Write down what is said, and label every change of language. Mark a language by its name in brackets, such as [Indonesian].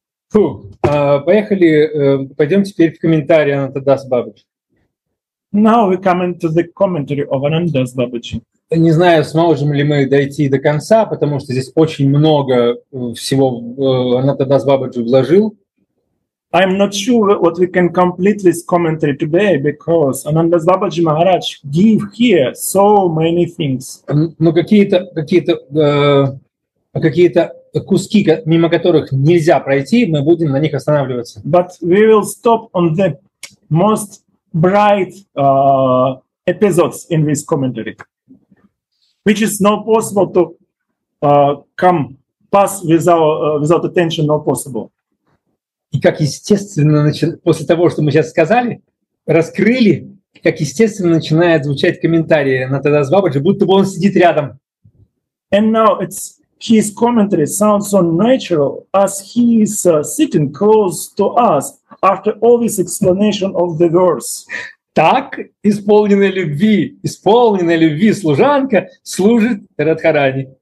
[Russian] Фу, поехали, пойдем теперь в комментарии Анандадас Бабаджи. [English] Now we come into the commentary of Anandadas Babaji. [Russian] Не знаю, сможем ли мы дойти до конца, потому что здесь очень много всего Анандадас Бабаджи вложил. [English] I'm not sure what we can complete this commentary today because Anandadas Babaji Maharaj give here so many things. [Russian] Но какие-то куски, мимо которых нельзя пройти, мы будем на них останавливаться. [English] But we will stop on the most bright episodes in this commentary, which is not possible to come pass without attention, not possible. [Russian] И как естественно, после того, что мы сейчас сказали, раскрыли, как естественно начинает звучать комментарий на Анандадас Бабаджи, будто бы он сидит рядом. [English] And now it's his commentary sounds so natural as he is sitting close to us after all this explanation of the verse. [Russian] Так, исполненная любви служанка служит Радхарани.